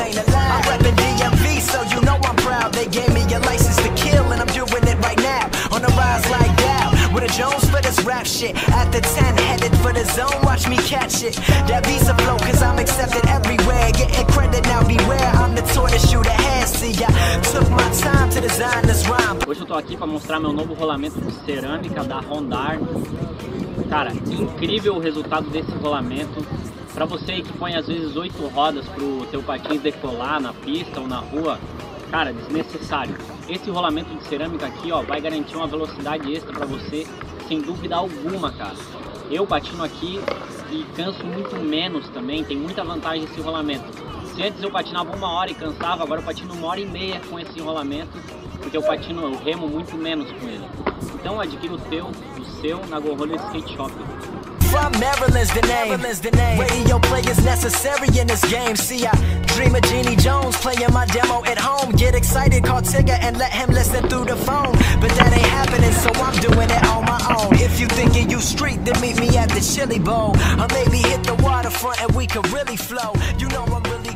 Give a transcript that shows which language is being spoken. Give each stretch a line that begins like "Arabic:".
English: I'm reppin' DMV, so you know I'm proud. They gave me a license to kill, and I'm doing it right now. On the rise like that, with a Jones for this rap shit. At the 10, headed for the zone, watch me catch it. That visa flow, cause I'm accepted everywhere. Getting credit now, beware. I'm the tortoise shoot ahead. See ya, took my time to design this rhyme.
Portuguese: Hoje eu tô aqui pra mostrar meu novo rolamento de cerâmica da Rondar. Cara, incrível o resultado desse rolamento. Pra você aí que põe às vezes 8 rodas pro teu patins decolar na pista ou na rua, cara, desnecessário. Esse rolamento de cerâmica aqui, ó, vai garantir uma velocidade extra pra você, sem dúvida alguma, cara. Eu patino aqui e canso muito menos também, tem muita vantagem esse rolamento. Se antes eu patinava uma hora e cansava, agora eu patino 1h30 com esse rolamento, porque eu patino, eu remo muito menos com ele. Então adquira o seu na Go Roller Skate Shop.
English: From Maryland's the name. Radio play is necessary in this game. See, I dream of Genie Jones playing my demo at home. Get excited, call Tigger and let him listen through the phone. But that ain't happening, so I'm doing it on my own. If you thinking you street, then meet me at the Chili Bowl. Or maybe hit the waterfront and we could really flow. You know I'm really